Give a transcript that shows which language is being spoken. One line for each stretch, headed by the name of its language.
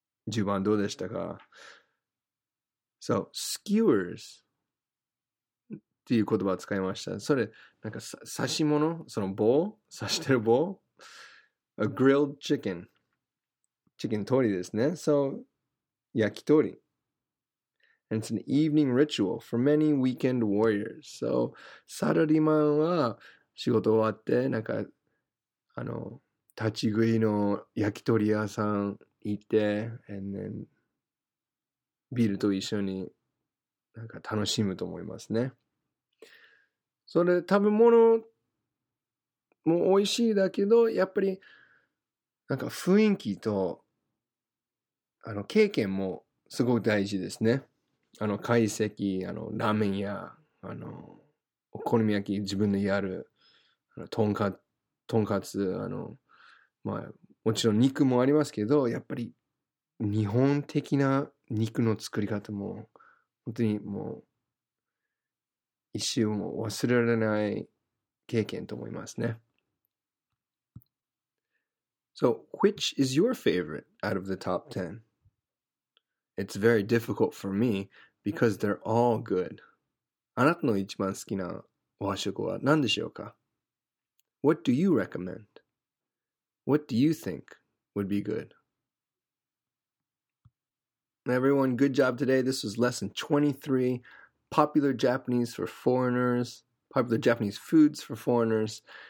Japanese: 10番どうでしたか?
English: So, skewers
Japanese: っていう言葉を使いました。それ、なんか刺し物?その棒?刺してる棒?
English: A grilled chicken. Chicken
Japanese: 鳥ですね。
English: So, 焼き鳥。 And it's an evening ritual for many weekend warriors.
Japanese: So, サラリーマンは仕事終わって、なんか、あの、立ち食いの焼き鳥屋さん行って、
English: and then、
Japanese: ビールと一緒になんか楽しむと思いますね。それ、食べ物も美味しいだけど、やっぱり、なんか雰囲気と、あの、経験もすごく大事ですね。あの、懐石、あの、ラーメン屋、あの、お好み焼き、自分でやる、あの、トンカツ、あの、まあ、もちろん肉もありますけど、やっぱり、日本的な肉の作り方も、本当にもう、一瞬も忘れられない経験と思いますね。
English: So, which is your favorite out of the top 10? It's very difficult for me because they're all good.
Japanese: あなたの一番好きな和食は何でしょうか?
English: What do you recommend? What do you think would be good? Everyone, good job today. This was lesson 23. Popular Japanese foods for foreigners.